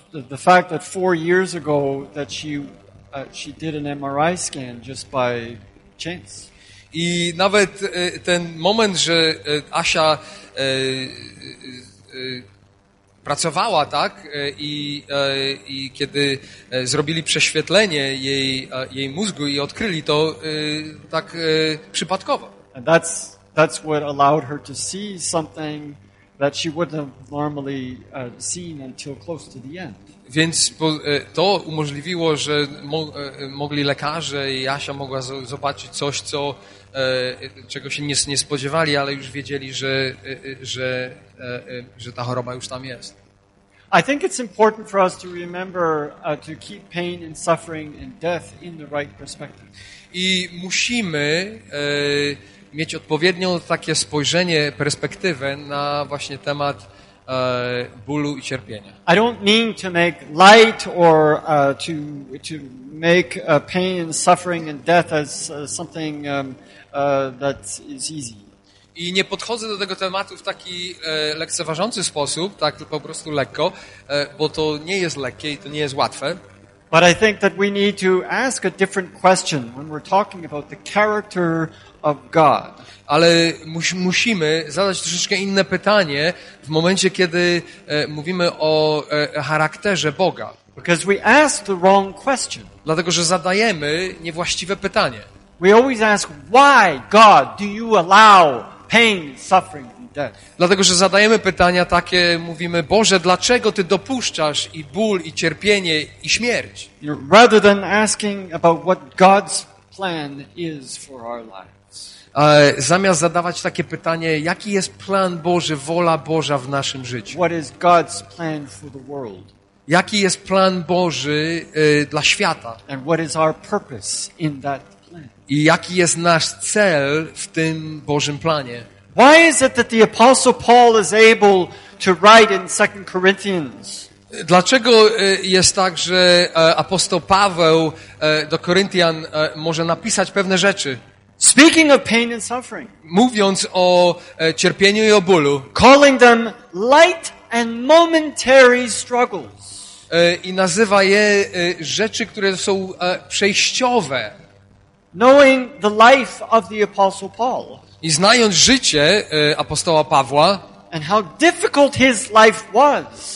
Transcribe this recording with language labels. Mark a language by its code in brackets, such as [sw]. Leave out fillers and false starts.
[en] The fact that 4 years ago that she did an MRI scan just by chance. [pl] I nawet ten moment, że Asia pracowała, tak, i kiedy zrobili prześwietlenie jej mózgu i odkryli to tak przypadkowo. [en] And that's what allowed her to see something that she wouldn't have normally seen until close to the end. [pl] Więc to umożliwiło, że mogli lekarze i Asia mogła zobaczyć coś, czego się nie spodziewali, ale już wiedzieli, że ta choroba już tam jest. [en] I think it's important for us to remember to keep pain and suffering and death in the right perspective. [pl] I musimy mieć odpowiednio takie spojrzenie, perspektywę na właśnie temat bólu i cierpienia. [en] I don't mean to make light or to make pain and suffering and death as something that is easy. [pl] I nie podchodzę do tego tematu w taki lekceważący sposób, tak po prostu lekko, bo to nie jest lekkie i to nie jest łatwe. [en] But I think that we need to ask a different question when we're talking about the character of God. [pl] Ale musimy zadać troszeczkę inne pytanie w momencie, kiedy mówimy o charakterze Boga. [en] Because we ask the wrong question. [pl] Dlatego, że zadajemy niewłaściwe pytanie. [en] We always ask, why, God, do you allow pain, suffering, and death? [pl] Dlatego, że zadajemy pytania takie, mówimy, Boże, dlaczego Ty dopuszczasz i ból, i cierpienie, i śmierć? [en] Rather than asking about what God's plan is for our life. [pl] Zamiast zadawać takie pytanie, jaki jest plan Boży, wola Boża w naszym życiu? [en] What is God's plan for the world? [pl] Jaki jest plan Boży dla świata? [en] And what is our purpose in that plan? [pl] I jaki jest nasz cel w tym Bożym planie? [en] Why is it that the Apostle Paul is able to write in 2 Corinthians? [pl] Dlaczego jest tak, że apostoł Paweł do Koryntian może napisać pewne rzeczy? [en] Speaking of pain and suffering. [pl] Mówiąc o cierpieniu i o bólu. [en] Calling them light and momentary struggles. [pl] I nazywa je rzeczy, które są przejściowe. [en] Knowing the life of the Apostle Paul. [pl] I znając życie apostoła Pawła. [en] and how difficult his life was.